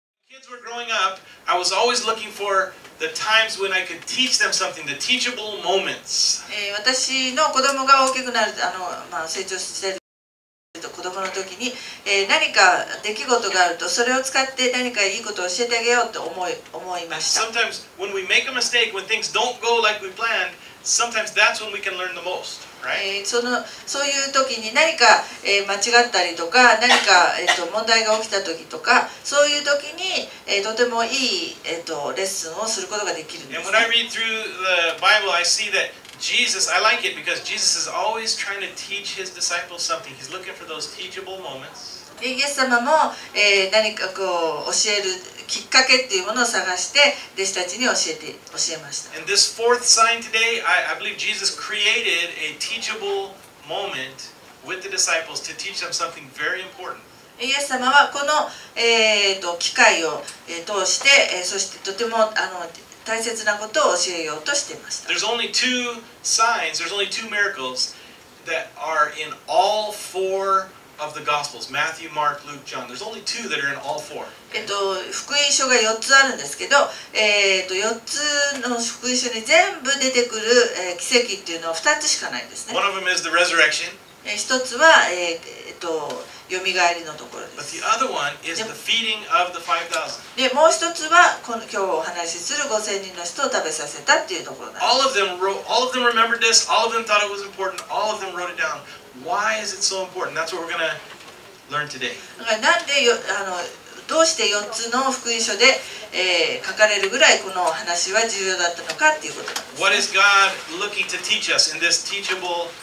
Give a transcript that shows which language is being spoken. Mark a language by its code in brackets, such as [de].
[en] kids were growing up, I was always looking for the times when I could teach them something, the teachable moments. [ja] 私の子供が大きくなる、まあ、成長してる子供の時に、何か出来事があると、それを使って何かいいことを教えてあげようと思いました。 [en] Sometimes when we make a mistake, when things don't go like we planned, sometimes that's when we can learn the most, right? [ja] そういう時に何か、間違ったりとか、何か、問題が起きた時とか、そういう時に、とてもいい、レッスンをすることができるんです、 [en] ね。And when I read through the Bible, I see that. Jesus, I like it because Jesus is always trying to teach his disciples something. He's looking for those teachable moments. [ja] イエス様も、何かこう教えるきっかけっていうものを探して弟子たちに教えました。 [en] And this fourth sign today, I believe Jesus created a teachable moment with the disciples to teach them something very important. [ja] イエス様はこの、機会を、通して、そしてとても大切なことを教えようとしていました。 [en] There's only two signs, there's only two miracles that are in all four of the Gospels: Matthew, Mark, Luke, John. There's only two that are in all four. [ja] 福音書が4つあるんですけど、4つの福音書に全部出てくる、奇跡っていうのは2つしかないんですね。 [en] One of them is the resurrection. [ja] 1つは、蘇りのところです。 [en] But the other one is the feeding of the 5,000. [ja] でもう一つは今日お話しする5000人の人を食べさせたっていうところなんです。 [en] All of them remembered this. All of them thought it was important. All of them wrote it down. Why is it so important? That's what we're gonna learn today. [ja] だからなんでどうして4つの福音書で、書かれるぐらいこの話は重要だったのかっていうことなんです。 [en] What is God looking to teach us in this teachable?